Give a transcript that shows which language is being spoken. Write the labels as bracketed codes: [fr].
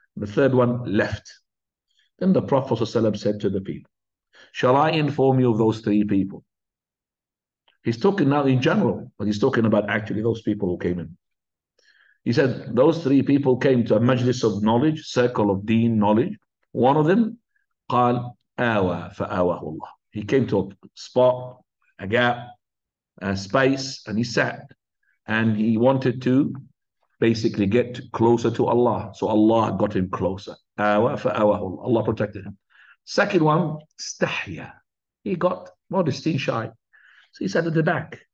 [en] The third one left. Then the Prophet ﷺ said to the people, shall I inform you of those three people? He's talking now in general, but he's talking about actually those people who came in. He said, those three people came to a majlis of knowledge, circle of deen knowledge. One of them, [ar] قال آوى فآواه الله. [en] He came to a spot, a gap, a space, and he sat. And he wanted to basically get closer to Allah. So Allah got him closer. Awa fa awahullah. Allah protected him. Second one, stahya. He got modesty shy. So he sat at the back.